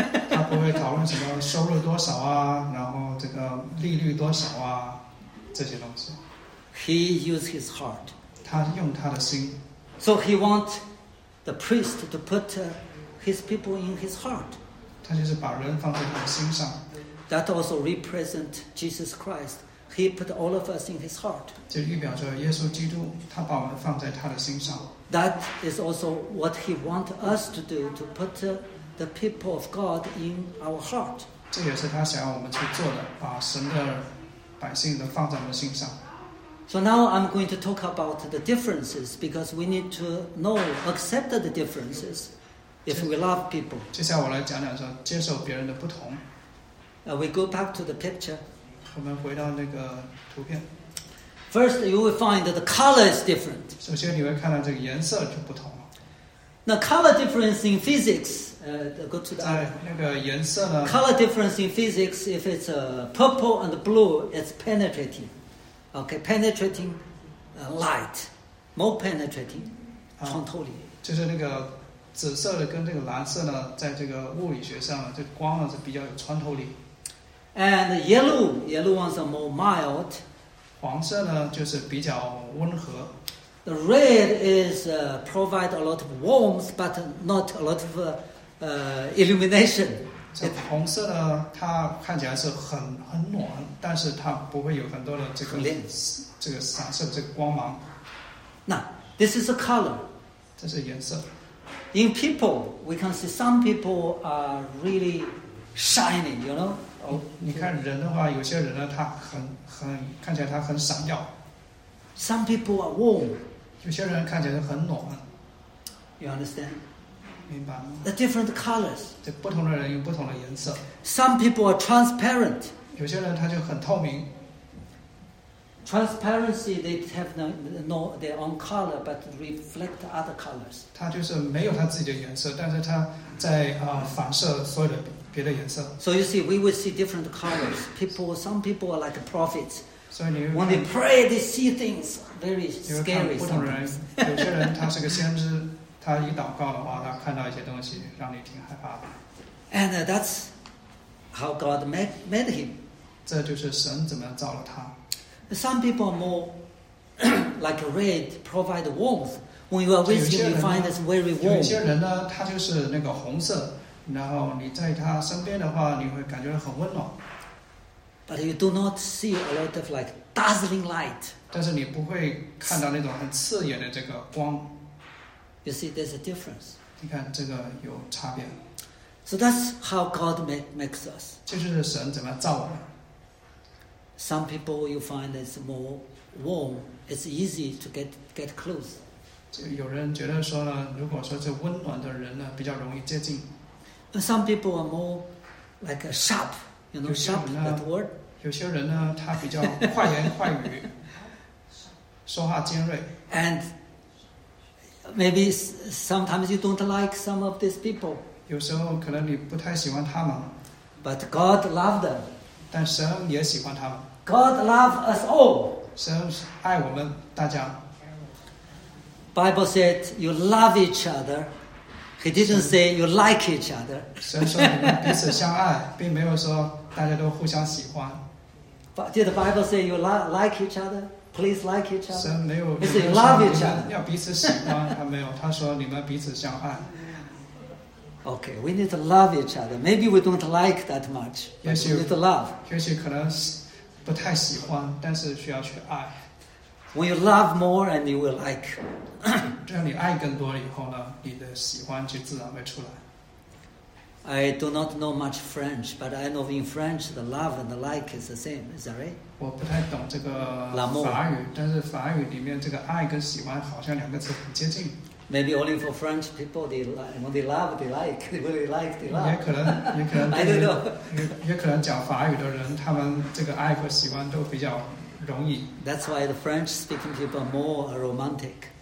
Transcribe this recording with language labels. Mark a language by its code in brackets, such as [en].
[zh] 他不会讨论什么收入多少啊，然后这个利率多少啊，这些东西。 [en] He uses his heart. [zh] 他用他的心。 [en] So he wants. The priest to put his people in his heart. [zh] 他就是把人放在他的心上。 [en] That also represents Jesus Christ. He put all of us in his heart. [zh] 就预表着耶稣基督，他把我们放在他的心上。 [en] That is also what he wants us to do, to put the people of God in our heart. [zh] 这也是他想要我们去做的，把神的百姓都放在我们心上。 [en] So now I'm going to talk about the differences because we need to know, accept the differences if we love people. [zh] 接下来我来讲讲说接受别人的不同。 [en] We go back to the picture. [zh] 我们回到那个图片。 [en] First, you will find that the color is different. [zh] 首先你会看到这个颜色就不同了。 [en] Now, color difference in physics, go to the other. [zh] 在那个颜色呢。 [en] Color difference in physics, if it's purple and blue, it's penetrating. Okay, penetrating light, more penetrating, [zh] 穿透力。就是那个紫色的跟这个蓝色呢，在这个物理学上，这光呢是比较有穿透力。 [en] And yellow ones are more mild. [zh] 黄色呢就是比较温和。 [en] The red is provide a lot of warmth, but not a lot of illumination. [zh] 这红色的它看起来是 很暖，但是它不会有很多的这个这个散射这个光芒。 [en] 那 this is a color， [zh] 这是颜色。 [en] In people, we can see some people are really shining, you know. [zh] 你看人的话，有些人呢，他很看起来他很闪耀。 [en] Some people are warm. [zh] 有些人看起来很暖。 [en] You understand? [zh] 明白吗 [en] ？The different colors. [zh] 这不同的人有不同的颜色。 [en] Some people are transparent. [zh] 有些人他就很透明。 [en] Transparency, they have no their own color, but reflect other colors. [zh] 它就是没有它自己的颜色，但是它在反射所有的别的颜色。 [en] So you see, we will see different colors. People, some people are like prophets. [zh] 所以你 [en] when they pray, they see things very scary. [zh] 不同人，有些人他是个先知，他一祷告的话，他看到一些东西，让你挺害怕的。 [en] And that's how God made him. [zh] 这就是神怎么造了他。 [en] Some people are more like red, provide warmth. When you are with him, you find it's very warm. [zh] 有些人呢，他就是那个红色，然后你在他身边的话，你会感觉很温暖。 [en] But you do not see a lot of like dazzling light. [zh] 但是你不会看到那种很刺眼的这个光。 [en] You see, there's a difference. [zh] 你看这个有差别。 [en] So that's how God makes us. [zh] 就是神怎么造我们。 [en] Some people you find it's more warm. It's easy to get close. [zh] 就有人觉得说呢，如果说这温暖的人呢，比较容易接近。 [en] Some people are more like a sharp, you know, sharp that word. [zh] 有些人呢，他比较快言快语，说话尖锐。 [en] And maybe sometimes you don't like some of these people. [zh] 有时候可能你不太喜欢他们。 [en] But God loved them. [zh] 但神也喜欢他们。 [en] God loves us all. [zh] 神爱我们大家。 [en] Bible said you love each other. He didn't say you like each other. [zh] 神说我们彼此相爱，并没有说大家都互相喜欢。 [en] Did the Bible say you like each other? Please like each other. [zh] 神没有。 [en] He said you love each other. [zh] 要彼此喜欢，他没有。他说你们彼此相爱。 [en] Okay, we need to love each other. Maybe we don't like that much. But we need to love. [zh] 也许可能不太喜欢，但是需要去爱。 [en] When you love more, and you will like. [zh] 让你爱更多以后呢，你的喜欢就自然会出来。 [en] I do not know much French, but I know in French the love and the like is the same. Is that right? [zh] 我不太懂这个法语， [fr] L'amour. [zh] 但是法语里面这个爱跟喜欢好像两个词很接近。 [en] Maybe only for French people, they like, when they love, they like, they really like, they love. [zh] 也可能 [en] I don't know. [zh] 也可能讲法语的人，他们这个爱和喜欢都比较容易。 [en] That's why the French speaking people are more romantic.